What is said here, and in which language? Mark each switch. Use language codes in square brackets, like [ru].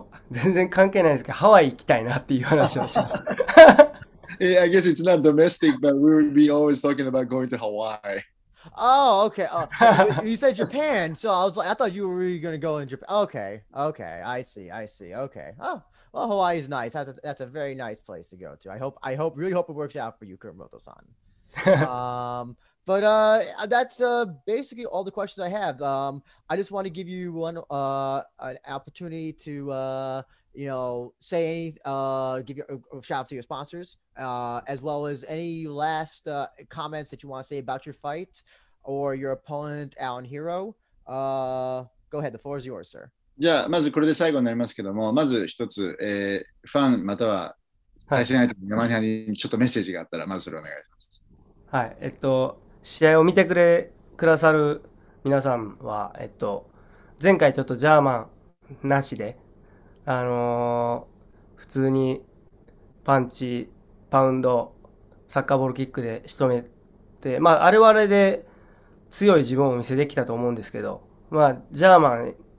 [ja] 全然関係ないですけど、ハワイ行きたいなっていう話はします。 [en] I guess it's not domestic, but we would be always talking about going to Hawaii. Oh, okay. You said Japan, so I thought you were really gonna go in Japan. Okay. I see. Okay. Oh, well, Hawaii is nice. That's a very nice place to go to. Really hope it works out for you, Kurumoto-san. That's basically all the questions I have. I just want to give you one an opportunity to say any give your a shout out to your sponsors as well as any last comments that you want to say about your fight or your opponent, Alan Hero. Go ahead, the floor is yours, sir. [ja] じゃあ、まずこれで最後になりますけども、まず一つ、ファンまたは対戦相手の山根さんにちょっとメッセージがあったら、まずそれをお願いします。はい。試合を見てくださる皆さんは、前回ちょっとジャーマンなしで、普通にパンチ、パウンド、サッカーボールキックで仕留めて、まあ、あれはあれで強い自分を見せてきたと思うんですけど、まあ、ジャーマン